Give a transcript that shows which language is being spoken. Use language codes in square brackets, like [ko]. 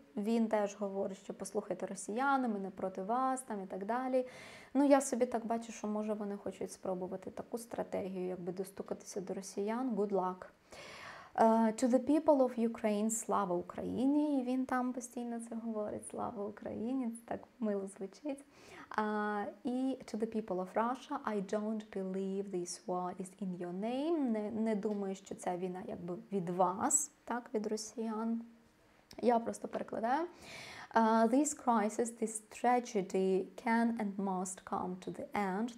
[uk] Він теж говорить, що послухайте росіяни, ми не проти вас, там і так далі. Ну, я собі так бачу, що може вони хочуть спробувати таку стратегію, якби достукатися до росіян. [en] Good luck. To the people of Ukraine, [uk] слава Україні. І він там постійно це говорить, слава Україні, це так мило звучить. [en] І to the people of Russia, I don't believe this war is in your name. [uk] Не думаю, що ця війна якби від вас, так, від росіян. Я просто перекладаю. [en] This crisis, this tragedy can and must come to the end.